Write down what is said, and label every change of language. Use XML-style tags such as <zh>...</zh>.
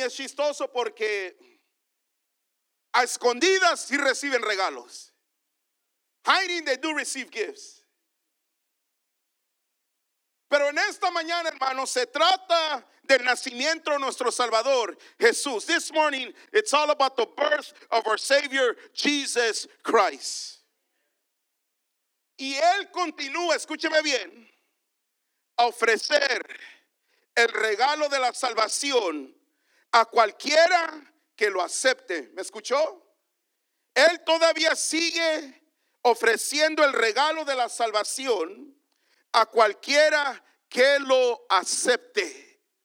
<es>Es chistoso porque a escondidas sí reciben regalos.</es> <en>Hiding, they do receive gifts.</en> <es>Pero en esta mañana, hermano, se trata del nacimiento de nuestro Salvador, Jesús.</es> <en>This morning, it's all about the birth of our Savior, Jesus Christ.</en> <es>Y Él continúa, escúcheme bien, a ofrecer el regalo de la salvación a cualquiera que lo acepte. ¿Me escuchó? Él todavía sigue ofreciendo el regalo de la salvación a cualquiera que lo acepte.</es>